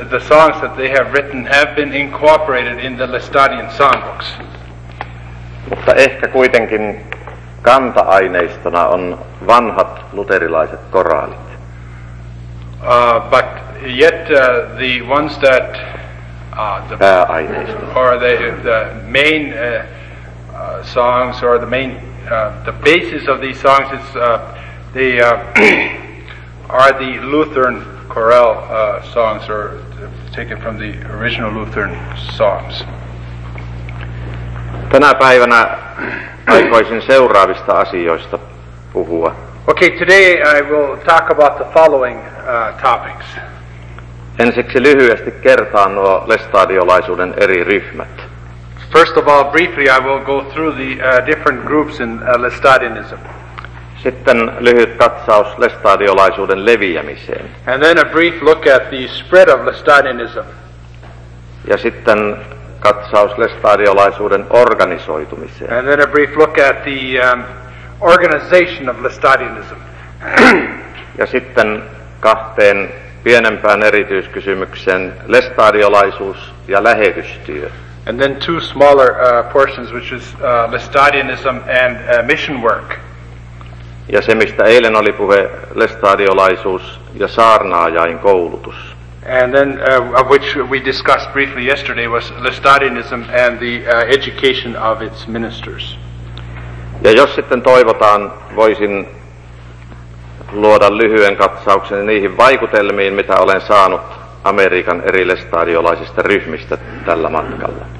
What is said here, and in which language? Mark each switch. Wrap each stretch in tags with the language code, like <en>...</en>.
<en>The songs that they have written have been incorporated in the Lestadian songbooks.</en> <fi>Mutta ehkä kuitenkin kanta-aineistona on vanhat luterilaiset koraalit.</fi> <en>But yet the ones that the basis of these songs are the Lutheran chorale songs taken from the original Lutheran songs.</en> <fi>Tänä päivänä aikoisin seuraavista asioista puhua.</fi> <en>Okay, today I will talk about the following topics.</en> <fi>Ensiksi lyhyesti kertaan nuo lestadiolaisuuden eri ryhmät.</fi> <en>First of all, briefly, I will go through the different groups in Lestadianism.</en> <fi>Sitten lyhyt katsaus lestadiolaisuuden leviämiseen.</fi> <en>And then a brief look at the spread of Lestadianism.</en> <fi>Ja sitten katsaus lestadiolaisuuden organisoitumiseen.</fi> <en>And then a brief look at the organization of Lestadianism.</en> <fi>Ja sitten kahteen pienempään erityiskysymykseen, lestadiolaisuus ja lähetystyö.</fi> <en>And then two smaller portions, which is Lestadianism and mission work.</en> <fi>Ja se, mistä eilen oli puhe, lestadiolaisuus ja saarnaajain koulutus.</fi> <en>And then, of which we discussed briefly yesterday, was Lestadianism and the education of its ministers.</en> <fi>Ja jos sitten toivotaan, voisin luoda lyhyen katsauksen niihin vaikutelmiin, mitä olen saanut Amerikan eri lestadiolaisista ryhmistä tällä matkalla.</fi>